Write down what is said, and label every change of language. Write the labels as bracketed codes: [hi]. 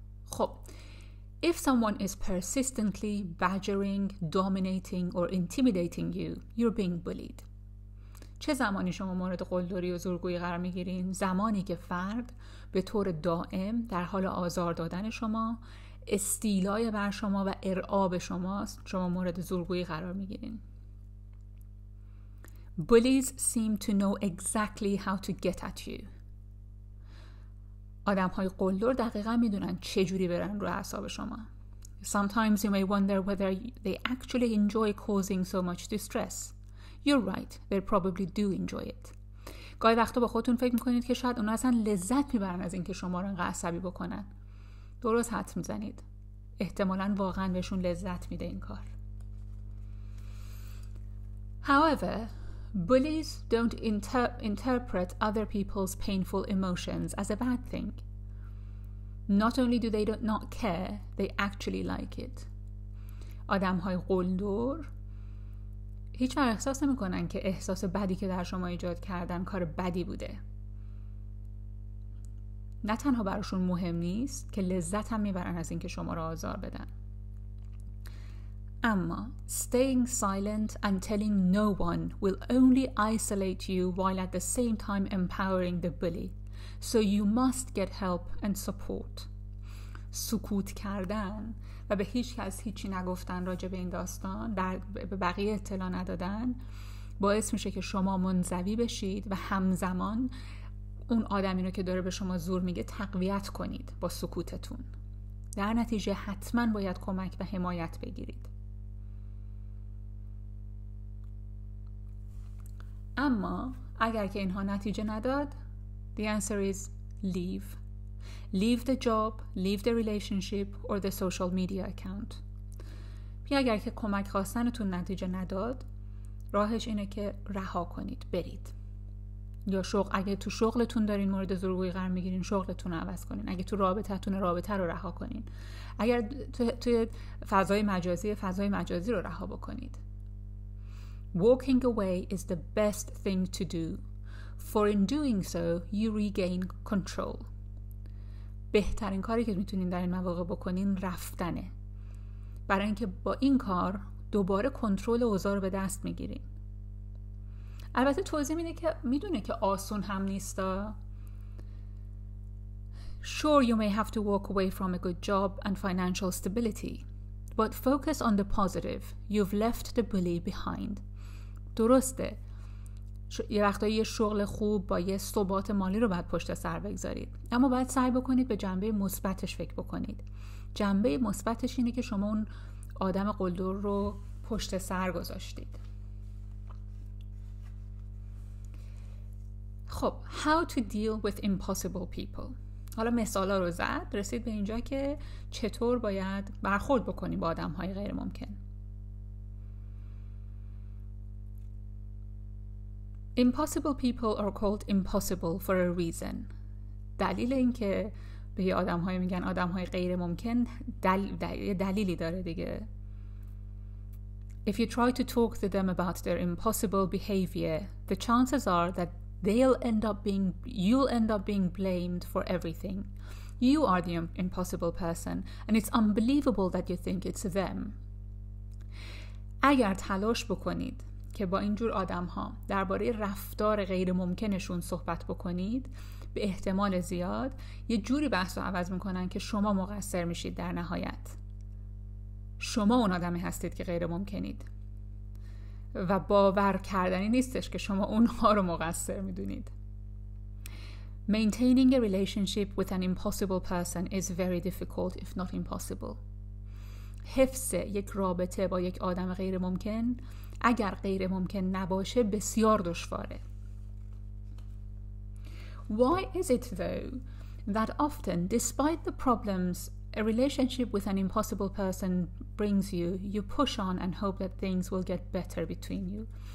[en] خب، if someone is persistently badgering, dominating or intimidating you, you're being bullied. [fa] چه زمانی شما مورد قلدری و زورگویی قرار میگیرین؟ زمانی که فرد به طور دائم در حال آزار دادن شما، استیلای بر شما و ارعاب شماست، شما مورد زورگویی قرار میگیرین. [en] Bullies seem to know exactly how to get at you. [fa] آدم‌های قلدر دقیقاً می‌دونن چه جوری برن رو اعصاب شما. [en] Sometimes you may wonder whether they actually enjoy causing so much distress. You're right, they probably do enjoy it. [fa] گاهی وقتا با خودتون فکر می‌کنید که شاید اونا اصلا لذت می‌برن از اینکه شما رو انقدر عصبی بکنن. درست حد می‌زنید. احتمالاً واقعاً بهشون لذت میده این کار. [en] However, bullies don't interpret other people's painful emotions as a bad thing. Not only do they not care, they actually like it. [fa] آدم‌های قلدر هیچ وقت احساس نمی‌کنن که احساس بدی که در شما ایجاد کردن کار بدی بوده. نه تنها براشون مهم نیست که لذت هم می‌برن از اینکه شما را آزار بدن. اما [en] staying silent and telling no one will only isolate you while at the same time empowering the bully. So you must get help and support. [fa] سکوت کردن و به هیچ کس هیچی نگفتن راجع به این داستان، به بقیه اطلاع ندادن، باعث میشه که شما منزوی بشید و همزمان اون آدمی رو که داره به شما زور میگه تقویت کنید با سکوتتون. در نتیجه حتما باید کمک و حمایت بگیرید. اما اگر که اینها نتیجه نداد، [en] the answer is leave. Leave the job, leave the relationship or the social media account. [fa] یا اگر که کمک خواستنتون نتیجه نداد، راهش اینه که رها کنید، برید. یا شغل، اگه تو شغلتون دارین مورد زورگویی قرار میگیرین، شغلتون رو عوض کنین. اگه تو رابطه‌تون رابطه رو رها کنین. اگر توی فضای مجازی، فضای مجازی رو رها بکنید. [en] Walking away is the best thing to do. For in doing so, you regain control. [fa] بهترین کاری که میتونین در این مواقع بکنین رفتنه. برای اینکه با این کار دوباره کنترل اوضاع رو به دست میگیرین. البته توضیح میده که میدونه که آسون هم نیستا. [en] Sure, you may have to walk away from a good job and financial stability. But focus on the positive. You've left the bully behind. [fa] درسته. یه وقتایی یه شغل خوب با یه ثبات مالی رو باید پشت سر بگذارید. اما باید سعی بکنید به جنبه مثبتش فکر بکنید. جنبه مثبتش اینه که شما اون آدم قلدر رو پشت سر گذاشتید. [en] خب، how to deal with impossible people. [fa] حالا مثالا رو زد، رسید به اینجا که چطور باید برخورد بکنی با آدم‌های غیر ممکن. [en] Impossible people are called impossible for a reason. [fa] دلیل این که به یه آدم های میگن آدم های غیر ممکن دلیلی داره دیگه. [en] If you try to talk to them about their impossible behavior, the chances are that you'll end up being blamed for everything. You are the impossible person, and it's unbelievable that you think it's them. [fa] اگر تلاش بکنید که با اینجور آدم ها درباره رفتار غیر ممکنشون صحبت بکنید، به احتمال زیاد یه جوری بحث رو عوض میکنن که شما مقصر میشید در نهایت. شما اون آدمی هستید که غیر ممکنید و باور کردنی نیستش که شما اونها رو مقصر میدونید. [en] Maintaining a relationship with an impossible person is very difficult if not impossible. [fa] حفظ یک رابطه با یک آدم غیر ممکن اگر غیر ممکن نباشه بسیار دشواره. [en] Why is it though that often despite the problems a relationship with an impossible person brings you, you push on and hope that things will get better between you.